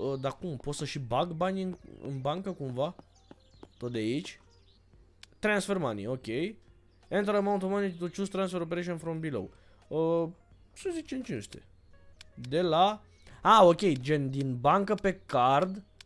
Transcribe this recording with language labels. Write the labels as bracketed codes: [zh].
[ro] dar cum, poți să și bag banii în bancă, cumva? Tot de aici? [en] Transfer money, ok. Enter amount of money to choose transfer operation from below. [ro] Să zicem 500. De la... Ah, ok, gen din bancă pe card.